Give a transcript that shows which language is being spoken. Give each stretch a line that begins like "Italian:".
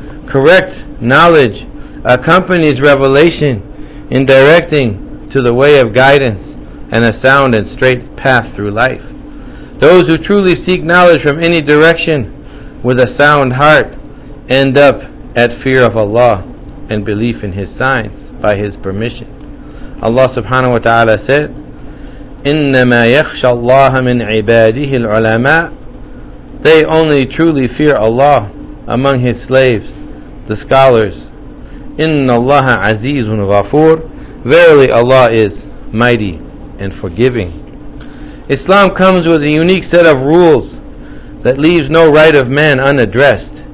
English: Correct knowledge accompanies revelation in directing to the way of guidance and a sound and straight path through life. Those who truly seek knowledge from any direction with a sound heart end up at fear of Allah and belief in His signs by His permission. Allah subhanahu wa ta'ala said,
Arabic: إِنَّمَا يَخْشَ اللَّهَ مِنْ عِبَادِهِ الْعُلَمَاءِ.
English: They only truly fear Allah among His slaves, the scholars.
Arabic: إِنَّ اللَّهَ عَزِيزٌ غَفُورٌ.
English: Verily Allah is mighty and forgiving. Islam comes with a unique set of rules that leaves no right of man unaddressed.